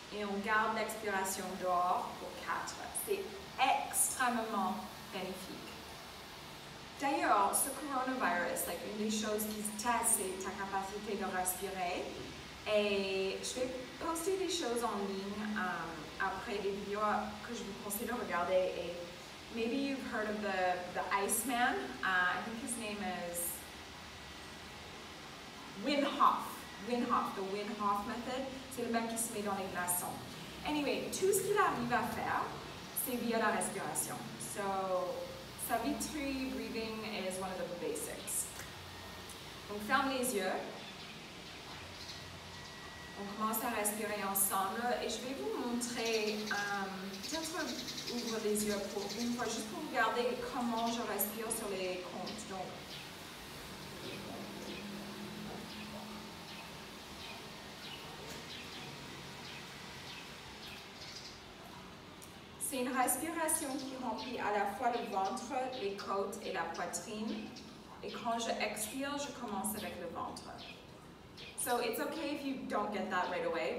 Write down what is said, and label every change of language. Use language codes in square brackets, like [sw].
[fr] Et on garde l'expiration dehors pour 4. C'est extrêmement bénéfique. D'ailleurs, ce coronavirus, like, une des choses qui teste, c'est ta capacité de respirer. Et je vais poster des choses en ligne après des vidéos que je vous conseille de regarder. [en] Et maybe you've heard of the Iceman. I think his name is Wim Hof, the Wim Hof method. [fr] C'est le mec qui se met dans les glaçons. Anyway, tout ce qu'il arrive à faire, c'est via la respiration. So, [en] Savitri breathing is one of the basics. [fr] Donc ferme les yeux. On commence à respirer ensemble et je vais vous montrer, peut-être ouvre les yeux pour une fois, juste pour regarder comment je respire sur les comptes. Donc, c'est une respiration qui remplit à la fois le ventre, les côtes et la poitrine. Et quand je expire, je commence avec le ventre. [en] So it's okay if you don't get that right away.